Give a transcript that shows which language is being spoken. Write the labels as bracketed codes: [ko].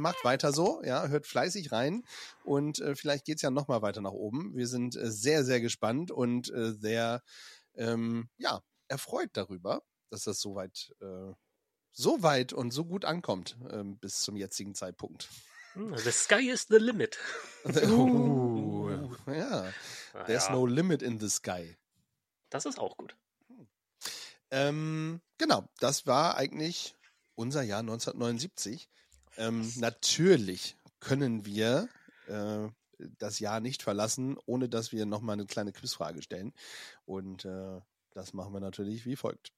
[de] Macht weiter so, ja, hört fleißig rein und vielleicht geht es ja noch mal weiter nach oben. Wir sind sehr, sehr gespannt und sehr, erfreut darüber, dass das so weit und so gut ankommt bis zum jetzigen Zeitpunkt. [en] The sky is the limit. Ooh. Ja. There's no limit in the sky. [de] Das ist auch gut. Genau, das war eigentlich unser Jahr 1979. Natürlich können wir das Jahr nicht verlassen, ohne dass wir nochmal eine kleine Quizfrage stellen. Und das machen wir natürlich wie folgt.